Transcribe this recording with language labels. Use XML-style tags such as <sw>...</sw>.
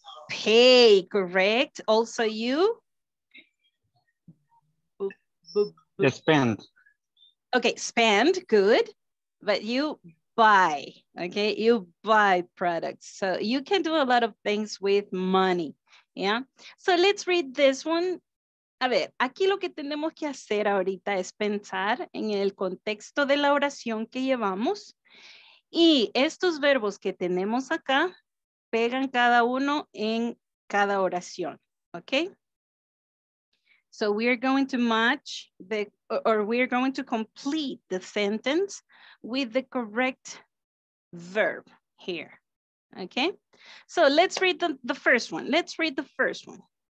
<en>Pay, correct. Also you? Spend. Okay, spend, good. But you buy, okay? You buy products. So you can do a lot of things with money, yeah? So let's read this one.</en> <es>A ver, aquí lo que tenemos que hacer ahorita es pensar en el contexto de la oración que llevamos. Y estos verbos que tenemos acá pegan cada uno en cada oración, okay?</es> <en>So we are going to match the, or we are going to complete the sentence with the correct verb here, okay? So let's read the first one. Let's read the first one.</en>